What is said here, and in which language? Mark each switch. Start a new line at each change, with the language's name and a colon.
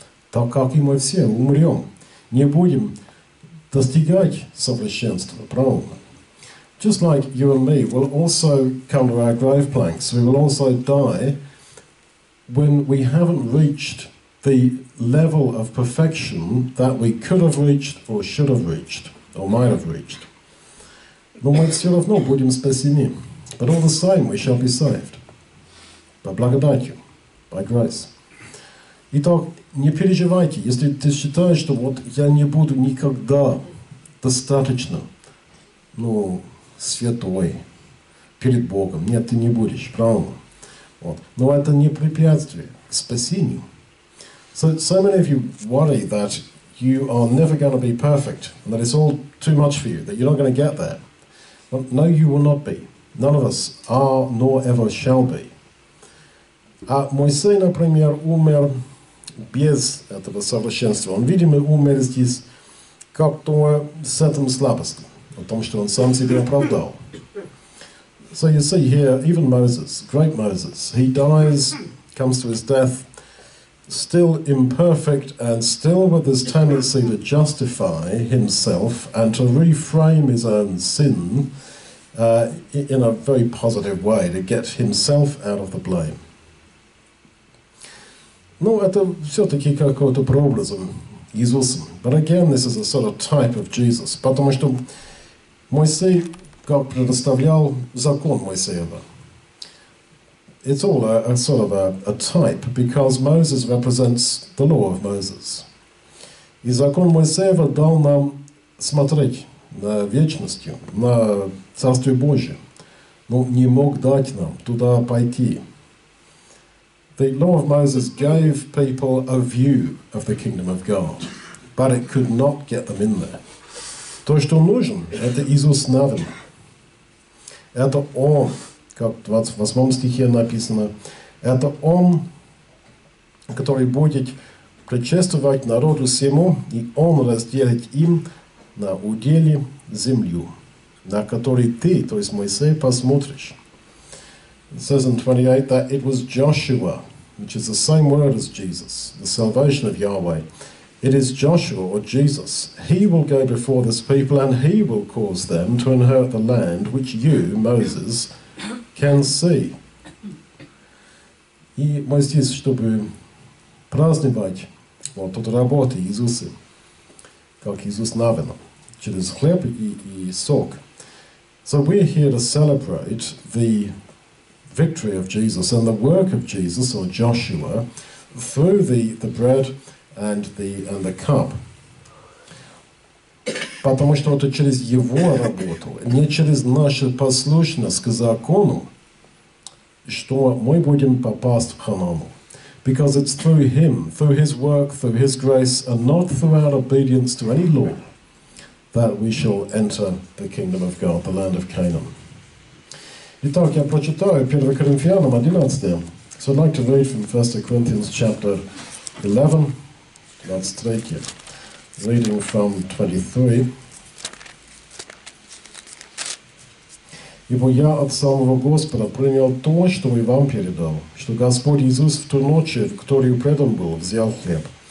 Russian: Так как и мы все умрем, не будем достигать совершенства, правильно?
English: Just like you and me will also come to our grave planks. We will also die when we haven't reached the level of perfection that we could have reached or should have reached or might have reached.
Russian: Но мы все равно будем спасены.
English: But all the same, we shall be saved. By благодатью. By grace.
Russian: Итак, не переживайте, если ты считаешь, что вот я не буду никогда достаточно, ну, святой. перед Богом. Нет, ты не будешь, правда? Вот. Но это не препятствие к спасению.
English: So many of you worry that you are never going to be perfect, and that it's all too much for you, that you're not going to get there. Well, no, you will not be. None of us are, nor ever shall be.
Russian: А Моисей, например, умер без этого совершенства. Он, видимо, умер здесь как-то с этим слабостью, о том, что он сам себя оправдал.
English: So you see here, even Moses, great Moses, he dies, comes to his death, still imperfect and still with this tendency to justify himself and to reframe his own sin in a very positive way, to get himself out of the blame.
Russian: Ну, это все-таки какой-то прообразом Иисусом.
English: But again, this is a sort of type of Jesus.
Russian: Потому что Моисей как предоставлял закон Моисеева.
English: It's all a sort of a type, because Moses represents the law of Moses.
Russian: И закон Моисеева дал нам смотреть на вечностью, на Царствие Божие. Но не мог дать нам туда пойти.
English: The law of Moses gave people a view of the kingdom of God, but it could not get them in there.
Russian: То, что нужен, это Иисус Навин. Это Он, как в 28 стихе написано, это Он, который будет предшествовать народу всему, и Он разделит им на уделе землю, на которой ты, то есть Моисей, посмотришь.
English: It says in 28 that it was Joshua, which is the same word as Jesus, the salvation of Yahweh. It is Joshua, or Jesus. He will go before this people, and he will cause them to inherit the land which you, Moses, can see.
Russian: И мы здесь, чтобы праздновать вот тут работы Иисуса, как Иисус Навин, через хлеб и сок.
English: So we're here to celebrate the victory of Jesus and the work of Jesus or Joshua through the bread and the cup.
Russian: Потому что это через его работу, не через нашу послушность к закону, что мы будем попасть в Ханану.
English: Because it's through him, through his work, through his grace, and not through our obedience to any law, that we shall enter the kingdom of God, the land of Canaan.
Russian: Итак, я прочитаю 1 Коринфянам 11.
English: So I'd like to read from 1 Corinthians chapter 11. That's 3. Reading from 23.
Russian: Ибо я от самого Господа принял то, что и вам передал, что Господь Иисус в ту ночь, в которую предан был, взял хлеб.